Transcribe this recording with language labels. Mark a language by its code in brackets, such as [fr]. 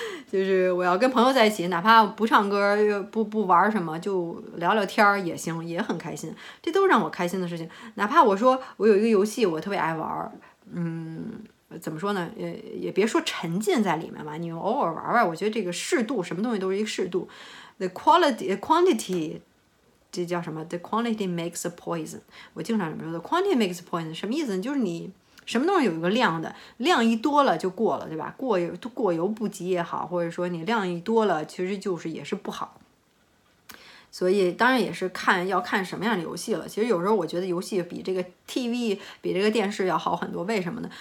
[zh] 就是我要跟朋友在一起，哪怕不唱歌，不玩什么，就聊聊天也行，也很开心。这都是让我开心的事情。哪怕我说我有一个游戏，我特别爱玩，怎么说呢？也别说沉浸在里面嘛，你偶尔玩玩，我觉得这个适度，什么东西都是一个适度。 [en] The quality, quantity。 [zh] 这叫什么 [en] ？The quantity makes a poison。 [zh] 我经常这么说 ， [en] The quantity makes a poison， [zh] 什么意思呢？就是你什么东西有一个量的，量一多了就过了，对吧？过犹不及也好，或者说你量一多了，其实就是也是不好。所以当然也是要看什么样的游戏了。其实有时候我觉得游戏比这个 TV 比这个电视要好很多。为什么呢？